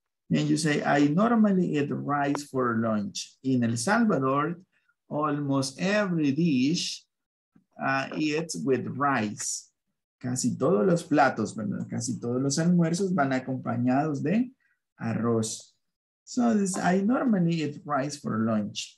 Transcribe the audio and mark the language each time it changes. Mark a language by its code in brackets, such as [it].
[en] And you say, I normally eat rice for lunch. In El Salvador, almost every dish eats with rice. [es] Casi todos los platos, ¿verdad? Casi todos los almuerzos van acompañados de arroz. [en] So this, I normally eat rice for lunch.